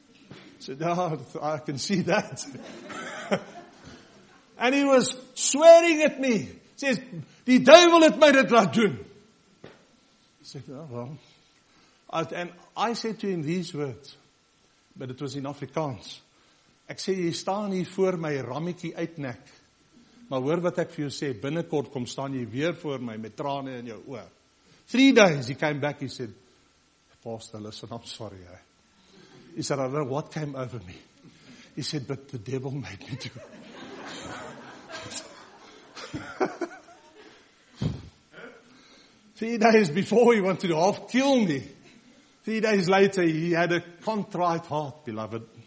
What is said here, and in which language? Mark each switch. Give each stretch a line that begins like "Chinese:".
English: I said, oh, I can see that. And he was swearing at me. He says, the devil had made it like doing. He said, oh, well. And I said to him these words, but it was in Afrikaans.
Afrikaans: Ek sê, jy staan hier voor my rammetjie uitnek. Maar hoor wat ek vir jou sê, binnenkort kom staan jy weer voor my met trane in jou oor.
English: 3 days, he came back, he said, Pastor, listen, I'm sorry. Eh? He said, I don't know what came over me. He said, but the devil made me do it. Three days before he wanted to half kill me. 3 days later, he had a contrite heart, beloved.